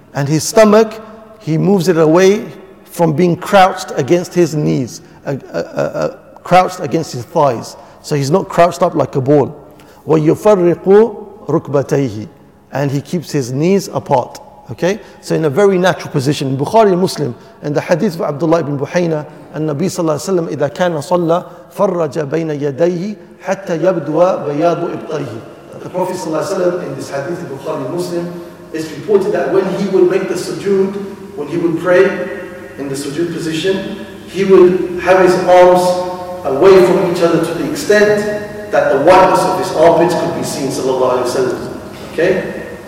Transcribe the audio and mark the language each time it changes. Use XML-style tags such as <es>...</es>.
<en>And his stomach, he moves it away from being crouched against his knees, crouched against his thighs. So he's not crouched up like a ball.</en> <ar>وَيُفَرِّقُ رُكْبَتَيْهِ.</ar> <en>And he keeps his knees apart. Okay? So in a very natural position. In Bukhari Muslim, in the hadith of Abdullah ibn Buhayna,</en> <ar>النبي صلى الله عليه وسلم إذا كان صلى فرج بين يديه حتى يبدو بياض إبطيه.</ar> <en>The Prophet صلى الله عليه وسلم, in this hadith of Bukhari Muslim, it's reported that when he would make the sujood, when he would pray in the sujood position, he would have his arms away from each other to the extent that the whiteness of his armpits could be seen, صلى الله عليه وسلم. Okay?</en>